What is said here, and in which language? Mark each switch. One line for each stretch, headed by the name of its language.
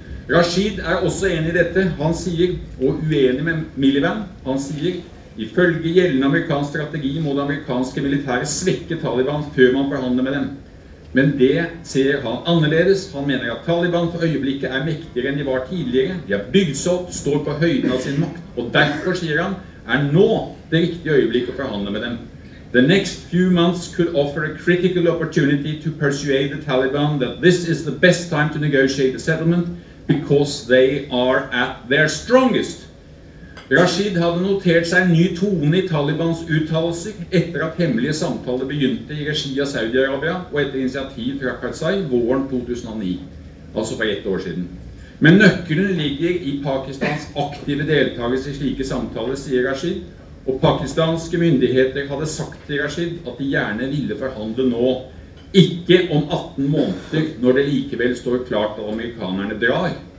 Norwegian: Rashid er også enig i dette. Han sier, og uenig med Miliband, han sier, ifølge gjeldende amerikansk strategi må det amerikanske militæret svekke Taliban før man forhandler med dem. Men det ser han annerledes. Han mener at Taliban for øyeblikket er mektigere enn de var tidligere. De har bygd seg opp, står på høyden av sin makt, og derfor, sier han, er nå det riktige øyeblikket å forhandle med dem.
English: The next few months could offer a critical opportunity to persuade the Taliban that this is the best time to negotiate a settlement because they are at their strongest.
Norwegian: Rashid hadde notert seg en ny tone i Talibans uttalelser etter at hemmelige samtaler begynte i regi av Saudi-Arabia og etter initiativ fra Karzai våren 2009, altså for ett år siden. Men nøkkelen ligger i Pakistans aktive deltakelse i slike samtaler, sier Rashid, og pakistanske myndigheter hadde sagt til Rashid at de gjerne ville forhandle nå, ikke om 18 måneder når det likevel står klart at amerikanerne drar.